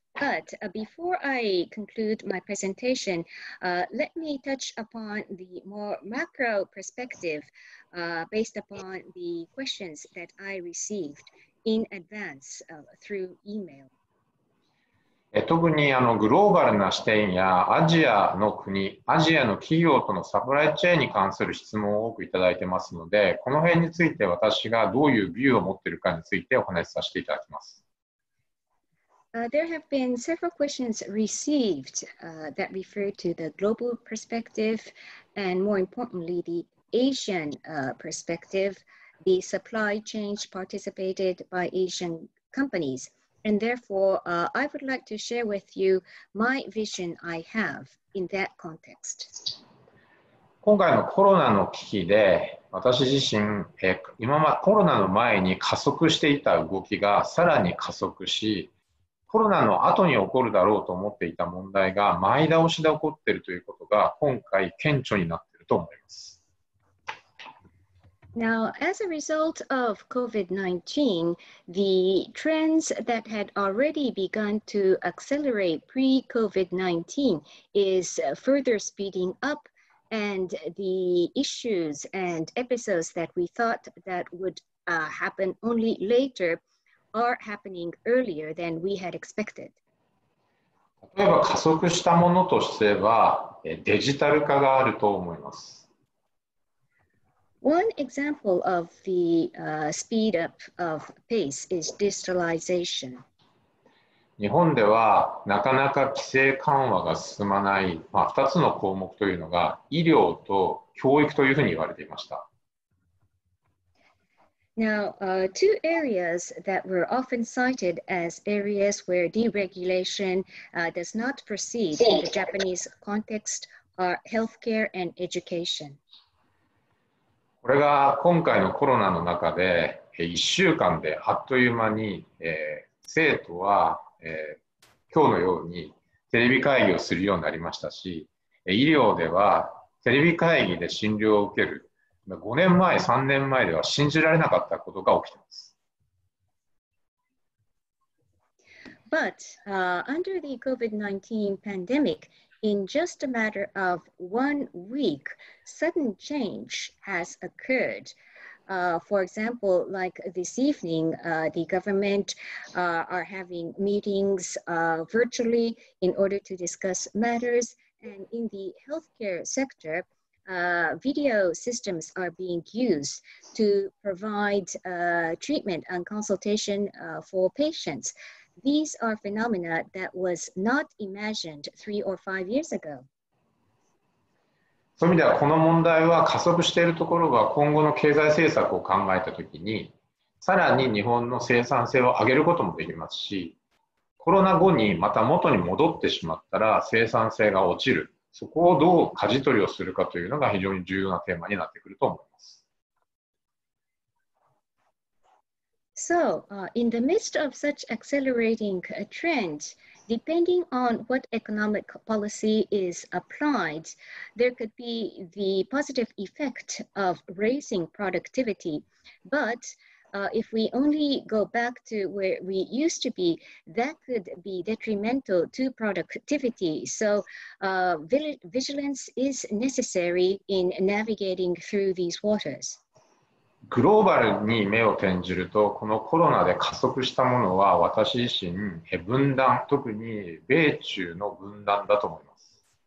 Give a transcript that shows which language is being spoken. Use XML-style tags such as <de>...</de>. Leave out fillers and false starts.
<en>But before I conclude my presentation, let me touch upon the more macro perspective based upon the questions that I received in advance through email.</en> <ja>特にグローバルな視点やアジアの国、アジアの企業とのサプライチェーンに関する質問を多くいただいてますので、この辺について私がどういうビューを持っているかについてお話しさせていただきます。</ja> <en>There have been several questions received that refer to the global perspective and more importantly the Asian perspective, the supply chain participated by Asian companies. And therefore, I would like to share with you my vision I have in that context.</en> <ja>今回のコロナの危機で、私自身、今までコロナの前に加速していた動きがさらに加速し、コロナの後に起こるだろうと思っていた問題が前倒しで起こっているということが今回顕著になっていると思います。</ja> <en>Now, as a result of COVID-19, the trends that had already begun to accelerate pre-COVID-19 is further speeding up, and the issues and episodes that we thought that would happen only later are happening earlier than we had expected.</en> <ja>例えば加速したものとしてはデジタル化があると思います。</ja> <en>One example of the speed up of pace is digitalization.</en> <ja>日本ではなかなか規制緩和が進まない、まあ、2つの項目というのが医療と教育というふうに言われていました。</ja> <en>Now, two areas that were often cited as areas where deregulation does not proceed in the Japanese context are healthcare and education.</en> <ja>これが今回のコロナの中で1週間であっという間に生徒は今日のようにテレビ会議をするようになりましたし、医療ではテレビ会議で診療を受ける5年前、3年前では信じられなかったことが起きています。</ja> <en>But, under the COVID-19 pandemic,In just a matter of 1 week, sudden change has occurred. For example, like this evening, the government are having meetings virtually in order to discuss matters. And in the healthcare sector, video systems are being used to provide treatment and consultation for patients. These are phenomena that was not imagined three or five years ago.</en> <ja>そういう意味ではこの問題は加速しているところが今後の経済政策を考えたときにさらに日本の生産性を上げることもできますし、コロナ後にまた元に戻ってしまったら生産性が落ちる。そこをどう舵取りをするかというのが非常に重要なテーマになってくると思います。</ja> <en>So, in the midst of such accelerating a trend, depending on what economic policy is applied, there could be the positive effect of raising productivity. But, if we only go back to where we used to be, that could be detrimental to productivity. So, vigilance is necessary in navigating through these waters.</en> <ja>グローバルに目を転じると、このコロナで加速したものは私自身、分断、特に米中の分断だと思います。</ja>